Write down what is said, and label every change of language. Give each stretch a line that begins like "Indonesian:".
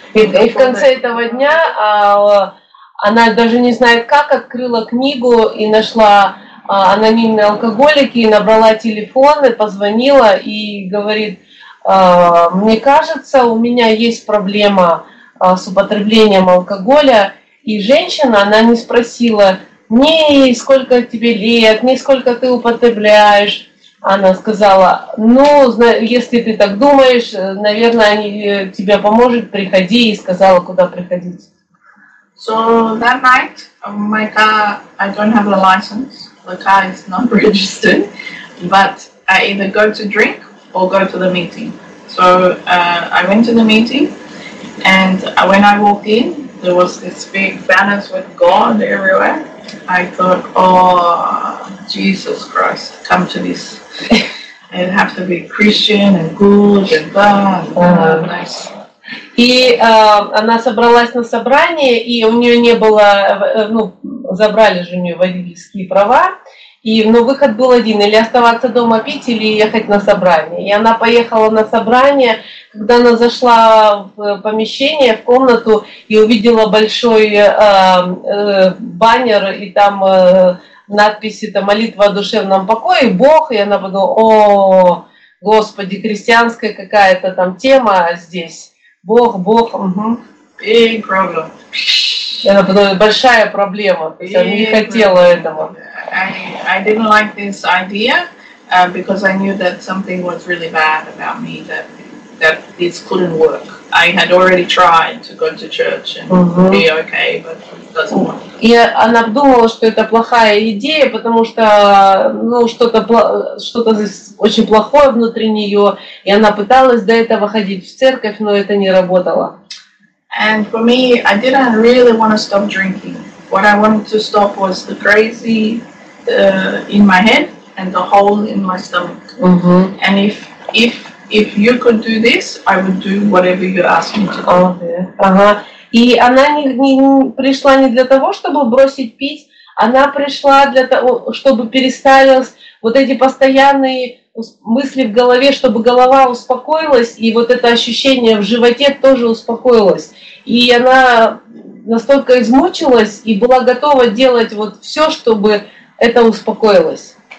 Russian: И в конце этого дня она даже не знает как открыла книгу и нашла анонимные алкоголики и набрала телефон и позвонила и говорит, мне кажется, у меня есть проблема с употреблением алкоголя. И женщина, она не спросила ни сколько тебе лет, ни сколько ты употребляешь. Она сказала, ну, если ты так думаешь, наверное, они тебе поможет, приходи, и сказала, куда приходить.
English: So that night, my car, I don't have a license, the car is not registered, but I either go to drink or go to the meeting. So I went to the meeting, and when I walked in, there was this big banner with God everywhere. I thought, oh, Jesus Christ, come to this. It have to be Christian and good and bad. Nice.
Russian: И она собралась на собрание, и у нее не было, ну, забрали же у нее водительские права, и, но выход был один, или оставаться дома пить, или ехать на собрание. И она поехала на собрание, когда она зашла в помещение, в комнату, и увидела большой баннер, и там надписи там, «Молитва о душевном покое», «Бог», и она подумала, о, Господи, христианская какая-то там тема здесь. Бог, Бог,
English: Big problem.
Russian: Она подумала, большая проблема, то есть она не хотела этого.
English: I didn't like this idea, because I knew that something was really bad about me, that this couldn't work. I had already tried to go to church and be okay, but it doesn't work.
Russian: И она думала, что это плохая идея, потому что ну, что-то здесь очень плохое внутри нее, и она пыталась до этого ходить в церковь, но это не работало.
English: And for me, I didn't really want to stop drinking. What I wanted to stop was the crazy in my head and the hole in my stomach. And if you could do this, I would do whatever you ask me to do.
Russian: И она не пришла не для того, чтобы бросить пить, она пришла для того, чтобы переставилась вот эти постоянные мысли в голове, чтобы голова успокоилась, и вот это ощущение в животе тоже успокоилось. И она настолько измучилась и была готова делать вот все, чтобы это успокоилось.